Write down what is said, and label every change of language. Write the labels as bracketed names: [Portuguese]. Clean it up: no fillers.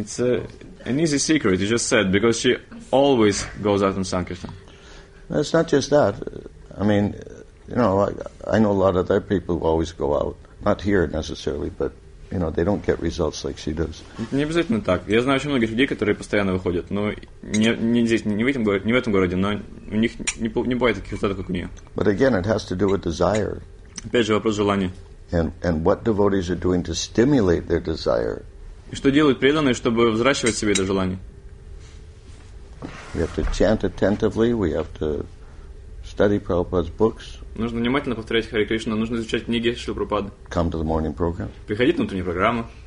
[English] It's an easy secret, you just said, because she always goes out on Sankirtan. It's not just that. I mean, you know, I know a lot of other people who always go out. Not here necessarily, but you know, they don't get results like she does. [Russian] Не обязательно так. Я знаю очень многих людей, которые постоянно выходят, но не здесь, не в этом городе, но у них не бывает таких результатов, как у нее. [English] But again, it has to do with desire. [Russian] Опять же, вопрос желания. [English] And what devotees are doing to stimulate their desire? [Russian] И что делают преданные, чтобы взращивать в себе это желание? [English] We have to chant attentively. We have to study Prabhupada's books. [Russian] Нужно внимательно повторять Харе Кришна, нужно изучать книги Шрилы Прабхупады. [English] Come to the morning program. [Russian] Приходить на утреннюю программу.